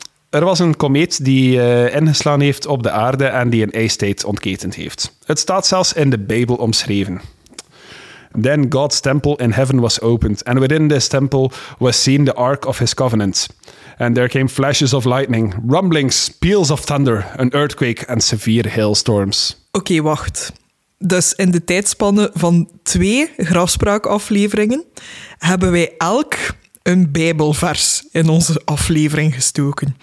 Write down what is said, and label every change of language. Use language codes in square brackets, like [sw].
[nl] Er was een komeet die ingeslaan heeft op de aarde en die een ijstijd ontketend heeft. Het staat zelfs in de Bijbel omschreven. [en] Then God's temple in heaven was opened, and within this temple was seen the ark of his covenant. And there came flashes of lightning, rumblings, peals of thunder, an earthquake and severe hailstorms. [nl] Oké, wacht. Dus in de tijdspanne van 2 grafspraakafleveringen hebben wij elk een bijbelvers in onze aflevering gestoken.